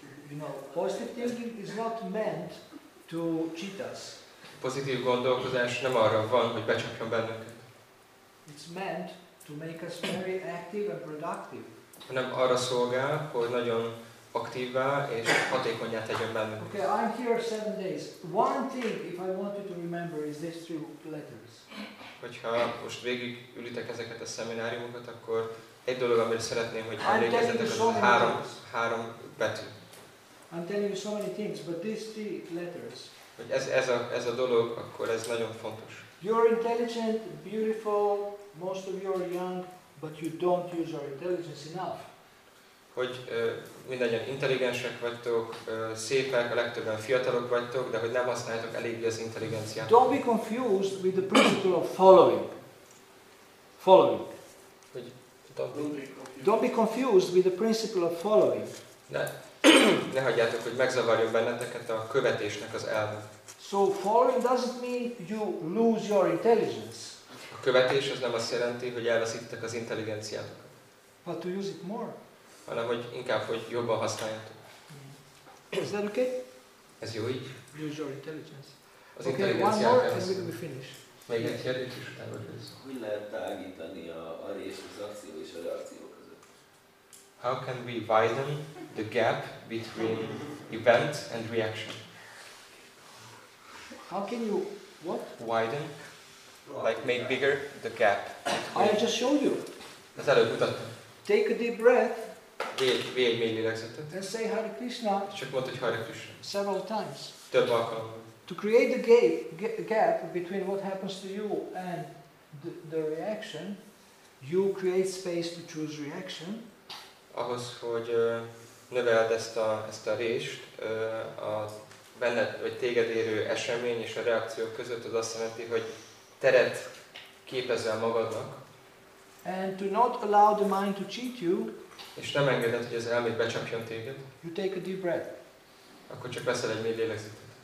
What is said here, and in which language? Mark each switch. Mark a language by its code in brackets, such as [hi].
[en] You know, positive thinking is not meant to cheat us. [hu] Pozitív gondolkodás nem arra van, hogy becsapjon bennünket. [en] It's meant to make us very active and productive. [hu] Hanem arra szolgál, hogy nagyon aktívvá és hatékonyá tegyen bennünket. [en] Okay, I'm here 7 days. One thing, if I want you to remember, is these 3 letters. [hu] Hogyha most végig ülitek ezeket a szemináriumokat, akkor egy dolog, amire szeretném, hogy emlékezzetek, az a három betű. [en] I'm telling you so many things, but these 3 letters. [hu] Hogy ez a dolog, akkor ez nagyon fontos. [en] You're intelligent, beautiful, most of you are young, but you don't use your intelligence enough. [hu] Hogy mindannyian intelligensek vagytok, szépek, a legtöbben fiatalok vagytok, de hogy nem használjátok eléggé az intelligenciát. [en] Don't be confused with the principle of following. Following. [hu] Hogy [en] don't be confused with the principle of following. [hu] Ne hagyjátok, hogy megzavarjon benneteket a követésnek az elve. [en] So following doesn't mean you lose your intelligence. [hu] A követés az nem azt jelenti, hogy elveszítitek az intelligenciátokat. [en] But to use it more. [hu] Hanem, hogy inkább, hogy jobban használjátok. [en] Is that okay? [hu] Ez jó így. [en] Lose your intelligence. [hu] Az intelligenciát [en] okay, one more and we finish. [hu] Még egy kérdés is el, hogy ez. Hogy lehet tágítani a rész, az akció és a reakció között? [en] How can we widen the gap between event and reaction? How can you, what? Widen, like make bigger the gap. I just showed you. [hu] Az előbb mutattam. [en] Take a deep breath. [hu] Vi egy mély lélegzetet. [en] And say Hare Krishna. [hu] Csak mondd, hogy Hare Krishna. [en] Several times. [hu] Több alkalommal. [en] To create the gap between what happens to you and the reaction, you create space to choose reaction. [hu] Ahhoz, hogy növeld ezt a rést, a benned vagy téged érő esemény és a reakció között, az azt jelenti, hogy teret képezel magadnak. [en] And to not allow the mind to cheat you. [hu] És nem engeded, hogy az elméd becsapjon téged. [en] You take a deep breath. [hu] Akkor csak veszel egy mély lélegzetet.